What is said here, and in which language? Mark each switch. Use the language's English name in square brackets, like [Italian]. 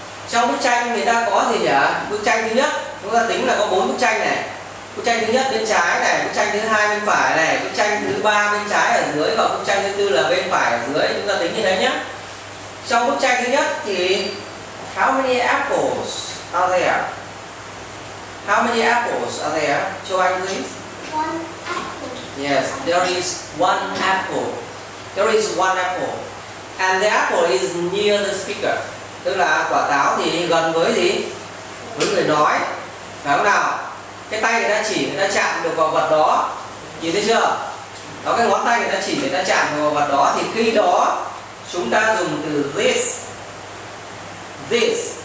[Vietnamese] Trong bức tranh người ta có gì nhỉ? Bức tranh thứ nhất, chúng ta tính là có 4 bức tranh này. Bức tranh thứ nhất bên trái này, bức tranh thứ hai bên phải này, bức tranh thứ ba bên trái ở dưới, và bức tranh thứ tư là bên phải ở dưới. Chúng ta tính như thế nhé. Trong bức tranh thứ nhất thì [English] how many apples are there? How many apples are there? Show anh please. One apple. Yes, there is one apple. There is one apple. And the apple is near the speaker. [Vietnamese] Tức là quả táo thì gần với gì? Với người nói. Phải không nào? Cái tay người ta chỉ, người ta chạm được vào vật đó. Nhìn thấy chưa? Đó, cái ngón tay người ta chỉ, người ta chạm được vào vật đó. Thì khi đó chúng ta dùng từ this. This.